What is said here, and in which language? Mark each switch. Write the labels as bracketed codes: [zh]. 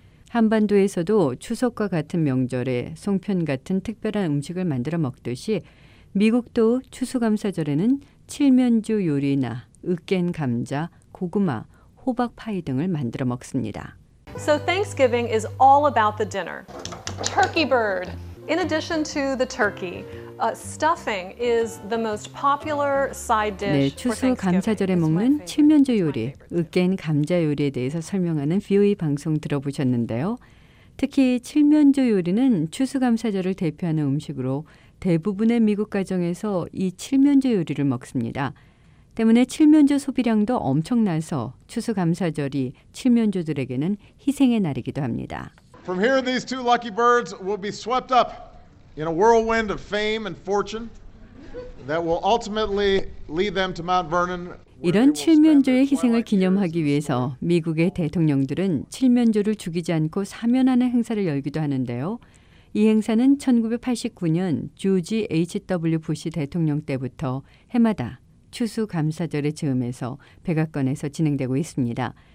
[ko] 한반도에서도 추석과 같은 명절에 송편 같은 특별한 음식을 만들어 먹듯이 미국도 추수감사절에는 칠면조 요리나 으깬 감자, 고구마, 호박 파이 등을 만들어 먹습니다. [en] So Thanksgiving is all about the dinner. Turkey bird. In addition to the turkey, stuffing is the most popular side dish. [ko] 네, 추수감사절에 먹는 칠면조 요리, 으깬 감자 요리에 대해서 설명하는 VOA 방송 들어보셨는데요. 특히 칠면조 요리는 추수감사절을 대표하는 음식으로 대부분의 미국 가정에서 이 칠면조 요리를 먹습니다. 때문에 칠면조 소비량도 엄청나서 추수감사절이 칠면조들에게는 희생의 날이기도 합니다. [en] From here, these two lucky birds will be swept up in a whirlwind of fame and fortune that will ultimately lead them to Mount Vernon. [ko] 이런 칠면조의 희생을 기념하기 위해서 미국의 대통령들은 칠면조를 죽이지 않고 사면하는 행사를 열기도 하는데요. 이 행사는 1989년 조지 H.W. 부시 대통령 때부터 해마다 추수감사절의 즈음에서 백악관에서 진행되고 있습니다.